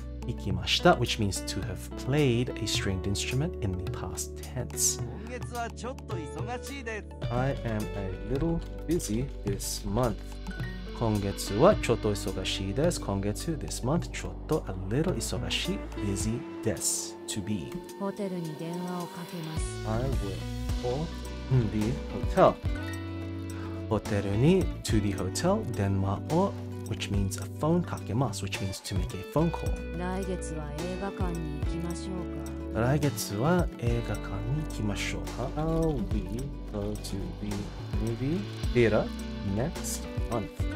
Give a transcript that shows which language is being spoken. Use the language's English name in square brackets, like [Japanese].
[English] 弾きました which means to have played a stringed instrument in the past tense. [Japanese] 今月はちょっと忙しいです。 [English] I am a little busy this month. [Japanese] 今月はちょっと忙しいです。 [English] 今月、this month、ちょっと a little 忙しい、busy です。To be. [Japanese] ホテルに電話をかけます。 [English] I will call the hotel. ホテルに to the hotel 電話を which means a phone かけます which means to make a phone call. [Japanese] 来月は映画館に行きましょうか。来月は映画館に行きましょうか。 [English] I'll be go to the movie theater next month.